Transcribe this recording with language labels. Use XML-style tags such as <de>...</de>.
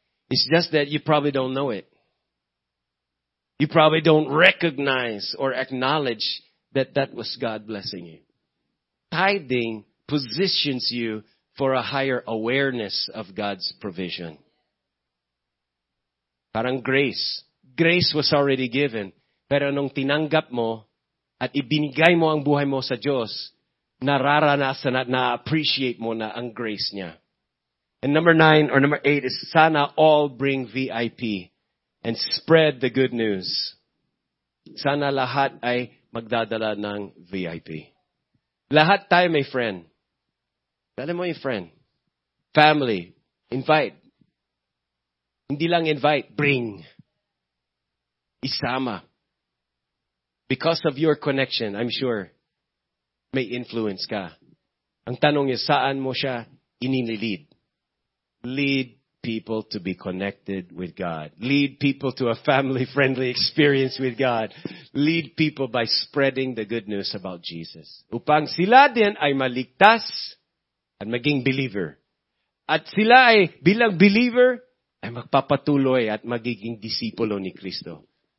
<en>It's just that you probably don't know it. You probably don't recognize or acknowledge that that was God blessing you. Tithing positions you for a higher awareness of God's provision. Parang grace. Grace was already given.</en> <tl>Pero nung tinanggap mo at ibinigay mo ang buhay mo sa Diyos, nararanasan at na-appreciate mo na ang grace niya.</tl> <en>And number 9 or number 8 is sana all bring VIP and spread the good news.</en> <tl>Sana lahat ay magdadala ng VIP. Lahat tayo may friend. Dali mo yung friend. Family. Invite. Hindi lang invite, bring. Isama.</tl> <en>Because of your connection, I'm sure,</en> <tl>may influence ka. Ang tanong yung saan mo siya inililid.</tl> <en>Lead people to be connected with God. Lead people to a family-friendly experience with God. Lead people by spreading the good news about Jesus.</en> <tl>Upang sila din ay maligtas at maging believer. At sila ay bilang believer ay magpapatuloy at magiging disipulo ni Kristo.</tl>